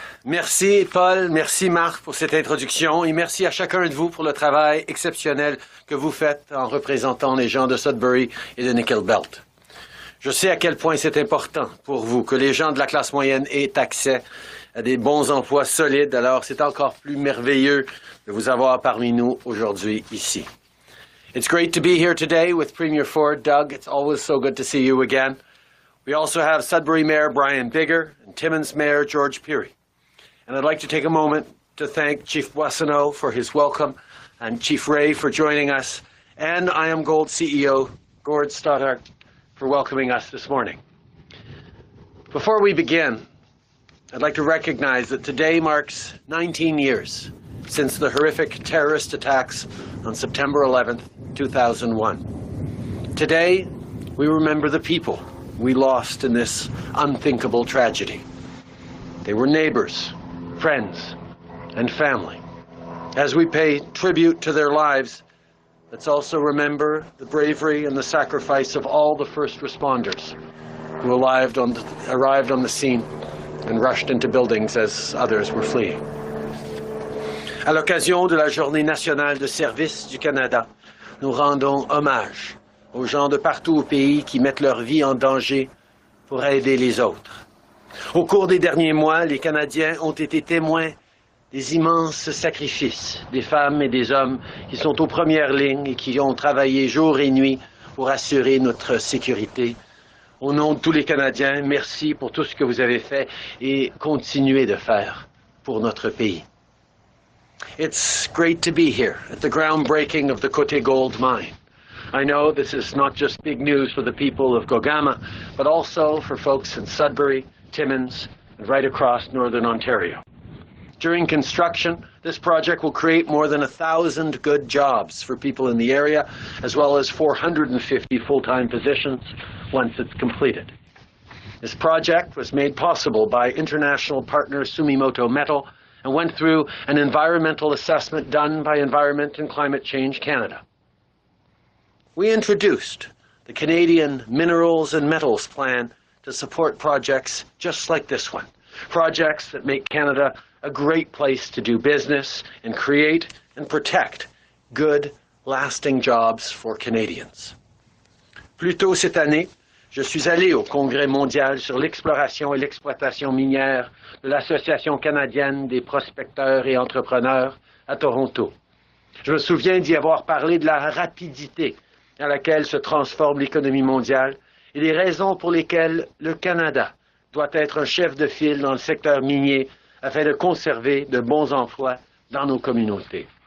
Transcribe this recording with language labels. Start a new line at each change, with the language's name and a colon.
French: Merci Paul, merci Marc pour cette introduction et merci à chacun de vous pour le travail exceptionnel que vous faites en représentant les gens de Sudbury et de Nickel Belt. Je sais à quel point c'est important pour vous que les gens de la classe moyenne aient accès à des bons emplois solides, alors c'est encore plus merveilleux de vous avoir parmi nous aujourd'hui ici.
English: It's great to be here today with Premier Ford, Doug. It's always so good to see you again. We also have Sudbury Mayor Brian Bigger and Timmins Mayor George Peary. And I'd like to take a moment to thank Chief Boissoneau for his welcome and Chief Ray for joining us and IAMGOLD CEO Gord Stothart for welcoming us this morning. Before we begin, I'd like to recognize that today marks 19 years since the horrific terrorist attacks on September 11th, 2001. Today, we remember the people we lost in this unthinkable tragedy. They were neighbors, friends, and family. As we pay tribute to their lives, let's also remember the bravery and the sacrifice of all the first responders who arrived on the scene and rushed into buildings as others were fleeing.
French: À l'occasion de la Journée nationale de service du Canada, nous rendons hommage aux gens de partout au pays qui mettent leur vie en danger pour aider les autres. Au cours des derniers mois, les Canadiens ont été témoins des immenses sacrifices des femmes et des hommes qui sont aux premières lignes et qui ont travaillé jour et nuit pour assurer notre sécurité. Au nom de tous les Canadiens, merci pour tout ce que vous avez fait et continuez de faire pour notre pays.
English: It's great to be here at the groundbreaking of the Côté Gold Mine. I know this is not just big news for the people of Gogama, but also for folks in Sudbury, Timmins, and right across northern Ontario. During construction, This project will create more than 1,000 good jobs for people in the area, as well as 450 full-time positions once it's completed. This project was made possible by international partner Sumimoto Metal and went through an environmental assessment done by Environment and Climate Change Canada. We introduced the Canadian Minerals and Metals Plan to support projects just like this one, projects that make Canada a great place to do business and create and protect good, lasting jobs for Canadians.
French: Plus tôt cette année, je suis allé au Congrès mondial sur l'exploration et l'exploitation minière de l'Association canadienne des prospecteurs et entrepreneurs à Toronto. Je me souviens d'y avoir parlé de la rapidité à laquelle se transforme l'économie mondiale et des raisons pour lesquelles le Canada doit être un chef de file dans le secteur minier afin de conserver de bons emplois dans nos communautés.